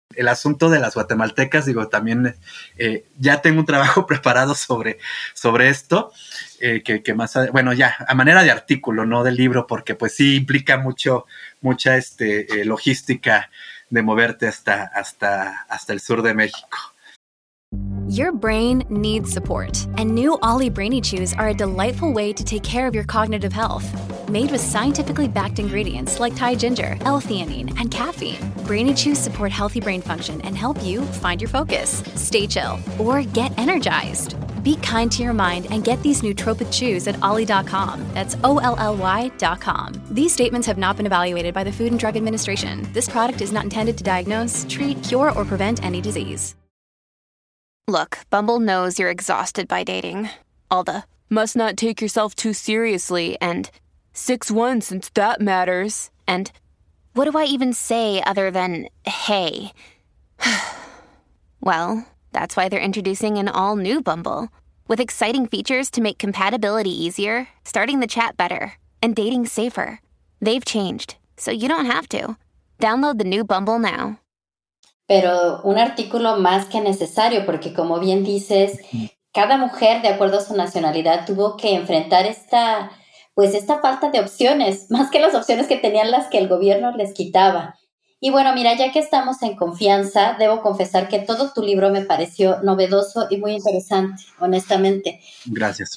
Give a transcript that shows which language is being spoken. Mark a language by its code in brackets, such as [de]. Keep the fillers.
[es] El asunto de las guatemaltecas, digo, también eh, ya tengo un trabajo preparado sobre, sobre esto, eh, que, que, más, bueno, ya, a manera de artículo, no de libro, porque pues sí implica mucho, mucha este, logística De moverte hasta, hasta, hasta el sur de [en] your brain needs support, and new Ollie Brainy Chews are a delightful way to take care of your cognitive health. Made with scientifically backed ingredients like Thai ginger, L theanine, and caffeine, Brainy Chews support healthy brain function and help you find your focus, stay chill, or get energized be kind to your mind and get these nootropic chews at ollie.com. That's O L L Y.com. These statements have not been evaluated by the Food and Drug Administration. This product is not intended to diagnose, treat, cure, or prevent any disease. Look, Bumble knows you're exhausted by dating. All the must not take yourself too seriously and 6 1 since that matters. And what do I even say other than hey? well, that's why they're introducing an all new Bumble with exciting features to make compatibility easier, starting the chat better, and dating safer. They've changed, so you don't have to. Download the new Bumble now. [es] Pero un artículo más que necesario, porque como bien dices, cada mujer, de acuerdo a su nacionalidad, tuvo que enfrentar esta. Pues esta falta de opciones, más que las opciones que tenían las que el gobierno les quitaba. Y bueno, mira, ya que estamos en confianza, debo confesar que todo tu libro me pareció novedoso y muy interesante, honestamente. Gracias.